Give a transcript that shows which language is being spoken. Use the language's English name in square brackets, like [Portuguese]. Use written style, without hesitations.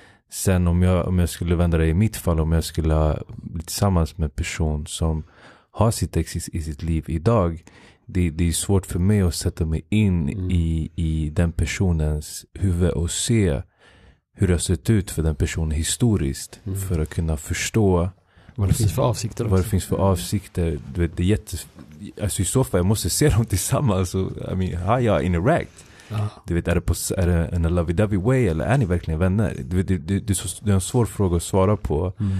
[Swedish] Sen om jag skulle vända det i mitt fall, om jag skulle bli tillsammans med en person som har sitt ex i sitt liv idag, Det är svårt för mig att sätta mig in i den personens huvud och se hur det har sett ut för den personen historiskt för att kunna förstå vad det finns för avsikter. Du vet, det är alltså, i så fall jag måste se dem tillsammans. [English] Och, I mean, how y'all interact? [Swedish] Du vet, är det [English] in a lovey-dovey way, [Swedish] eller är ni verkligen vänner? Du vet, det är en svår fråga att svara på.